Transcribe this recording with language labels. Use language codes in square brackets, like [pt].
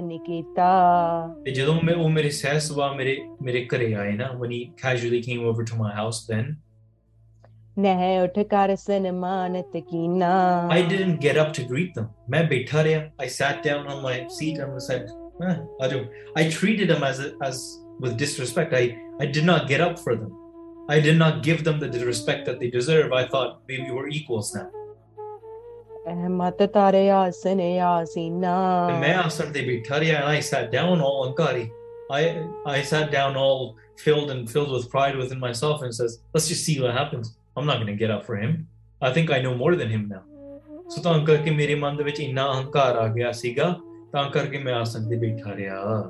[pa] ਨਿਕੀਤਾ ਤੇ ਜਦੋਂ ਮੈਂ ਉਹ ਮੇਰੇ ਸਹਿ ਸੁਭਾ ਮੇਰੇ ਮੇਰੇ ਘਰੇ ਆਏ ਨਾ [en] when he casually came over to my house then [pa] ਨਹਿ ਉਠ ਕਰ ਸਨਮਾਨਿਤ ਕੀਨਾ [en] I didn't get up to greet them [pa] ਮੈਂ ਬੈਠਾ ਰਿਹਾ [en] I sat down on my seat and was like ਅਜੋ I treated them as with disrespect I did not get up for them I did not give them the disrespect that they deserve I thought maybe we were equals now [pa] ਮਤ ਤਾਰੇ ਆਸਨ ਆਸੀਨਾ ਮੈਂ ਆਸਨ ਤੇ ਬੈਠਾ ਰਿਹਾ [en] and I sat down all ankari I sat down all filled with pride within myself and says let's just see what happens I'm not going to get up for him I think I know more than him now so [pa] ਤਾਂ ਕਰਕੇ ਮੇਰੇ ਮਨ ਦੇ ਵਿੱਚ ਇੰਨਾ ਅਹੰਕਾਰ ਆ ਗਿਆ ਸੀਗਾ ਤਾਂ ਕਰਕੇ ਮੈਂ ਆਸਨ ਤੇ ਬੈਠਾ ਰਿਹਾ